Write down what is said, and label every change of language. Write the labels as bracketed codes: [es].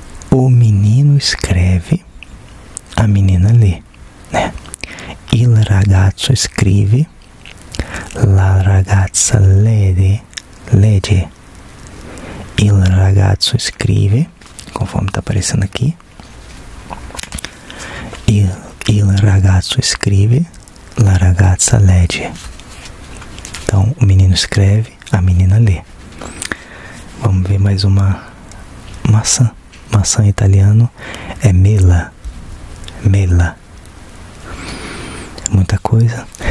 [pt] O menino escreve. A menina lê. Né? [it] Il ragazzo [pt] escreve. [it] La ragazza legge. Il ragazzo [pt] escreve. Conforme está aparecendo aqui. [it] Il ragazzo scrive, la ragazza legge. [pt] Então, o menino escreve, a menina lê. Vamos ver mais uma maçã. Maçã em italiano é mela. Mela. Muita coisa.